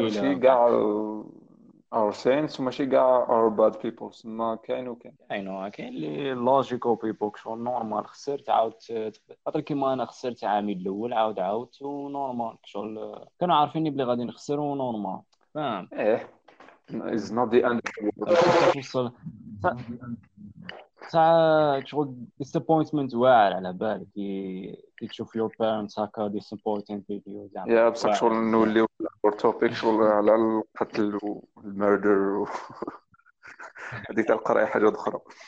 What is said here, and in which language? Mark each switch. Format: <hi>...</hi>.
<ar>ماشي كاع</ar> <en>our saints</en> <ar>وماشي كاع</ar> <en>our bad people،</en> <ar>ما كاين وكاين.</ar> <en>I know</en> <ar>كاين لي</ar> <en>logical people</en> <ar>شو نورمال، خسرت عاود خاطر كيما انا خسرت عامي الاول عاود ونورمال شغل كانوا عارفيني بلي غادي نخسر ونورمال، فاهم.</ar> <en>ايه is not the end of the world.</en> <ar>توصل تاع شغل ديسابوينتمنت واعر على بالك كي تشوف</ar> <en>your parents</en> <ar>هكا</ar> <en>disappointing video</en> <ar>زعما يا بصح شغل نولي</ar> <en>اور توبيك</en> <ar>شغل على القتل والمردر هذيك القرايه حاجه اخرى.</ar>